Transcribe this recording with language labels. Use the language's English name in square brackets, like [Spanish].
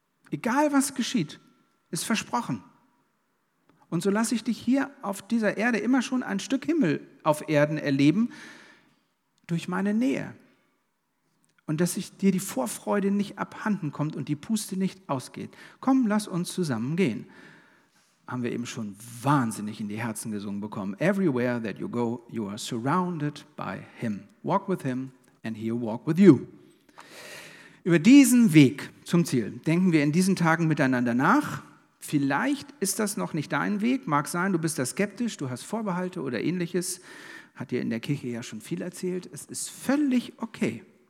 [German] Egal, was geschieht, ist versprochen. Und so lasse ich dich hier auf dieser Erde immer schon ein Stück Himmel auf Erden erleben, durch meine Nähe. Und dass ich dir die Vorfreude nicht abhanden kommt und die Puste nicht ausgeht. Komm, lass uns zusammen gehen. Haben wir eben schon wahnsinnig in die Herzen gesungen bekommen. [English] Everywhere that you go, you are surrounded by him. Walk with him. And he'll walk with you. [German] Über diesen Weg zum Ziel denken wir in diesen Tagen miteinander nach. Vielleicht ist das noch nicht dein Weg. Mag sein, du bist da skeptisch, du hast Vorbehalte oder ähnliches. Hat dir in der Kirche ja schon viel erzählt. Es ist völlig okay.